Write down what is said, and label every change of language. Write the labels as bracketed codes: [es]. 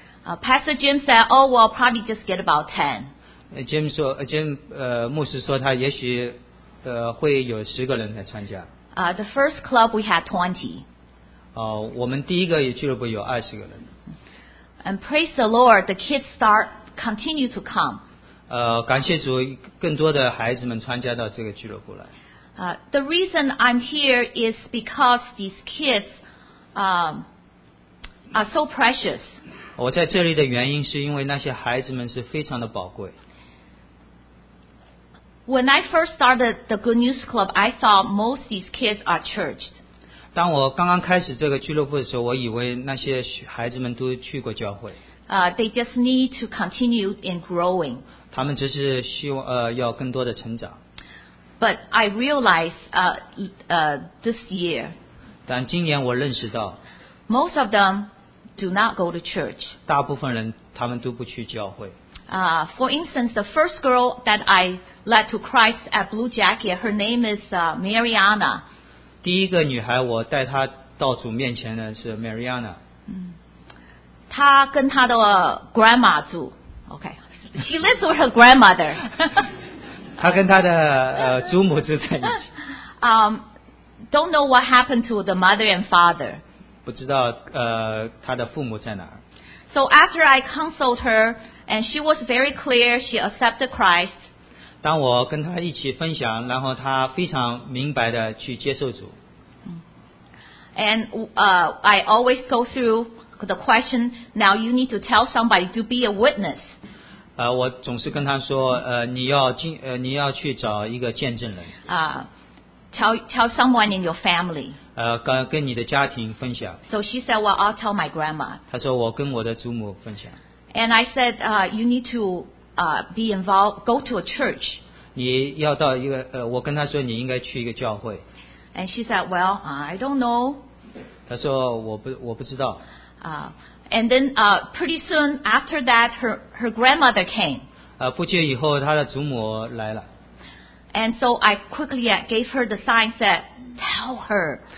[en] Pastor Jim said, "Oh, we'll probably just get about 10." [zh] Jim 牧师说他也许会有十个人来参加。 [en] The first club we had 20. [zh] 我们第一个俱乐部有二十个人。 [en] And praise the Lord, the kids continue to come. [zh] 感谢主，更多的孩子们参加到这个俱乐部来。 [en] The reason I'm here is because these kids are so precious. [zh] 我在这里的原因是因为那些孩子们是非常的宝贵。 [en] When I first started the Good News Club, I thought most of these kids are churched. [zh] 当我刚刚开始这个俱乐部的时候，我以为那些孩子们都去过教会。 [en] They just need to continue in growing. [zh] 他们只是希望要更多的成长。 [en] But I realized this year, [zh] 但今年我认识到, [en] most of them do not go to church. [zh] 大部分人他们都不去教会。 [en] For instance, the first girl that I led to Christ at Blue Jacket, her name is Mariana. [zh] 第一个女孩我带她到主面前的是 Mariana。她跟她的 grandma 住, okay. [en] She lives with her grandmother. [zh] 他跟他的祖母住在一起。 [en] Don't know what happened to the mother and father. [zh] 不知道他的父母在哪儿。 [en] So after I consulted her, and she was very clear, she accepted Christ. [zh] 当我跟他一起分享，然后他非常明白的去接受主。 [en] And I always go through the question. Now you need to tell somebody to be a witness. [zh] 我总是跟他说你要去找一个见证人。 [en] Tell someone in your family. [zh] 跟你的家庭分享。 [en] So she said, well, I'll tell my grandma. [zh] 他说我跟我的祖母分享。 [en] And I said, you need to be involved, go to a church. [zh] 你要到一个我跟他说你应该去一个教会。 [en] And she said, well, I don't know. [zh] 他说我不知道。 [en] And then pretty soon after that, her grandmother came. [zh] 不久以后她的祖母来了。 [en] And so I quickly gave her the sign that tell her.